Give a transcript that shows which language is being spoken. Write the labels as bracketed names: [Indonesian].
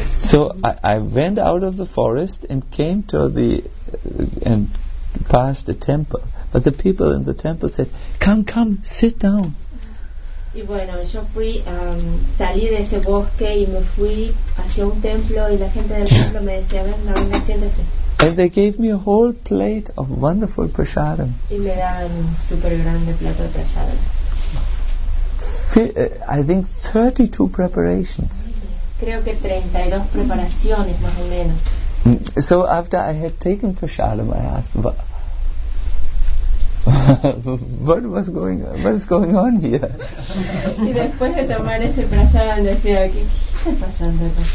[English] So I went out of the forest and came to the and passed the temple. But the people in the temple said, come, sit down. [Spanish] Y bueno, yo fui, salí de ese bosque y me fui hacia un templo, y la gente del templo me decía, venga, siéntate. [English] And they gave me a whole plate of wonderful prasadam. [Spanish] Y me daban un super grande plato de prasadam. [English] I think 32 preparations. [Spanish] Creo que 32 preparaciones, más o menos. [English] So after I had taken prasadam, I asked, what is going on here? [Spanish] Y después de tomar ese prasadam decía, ¿qué está pasando?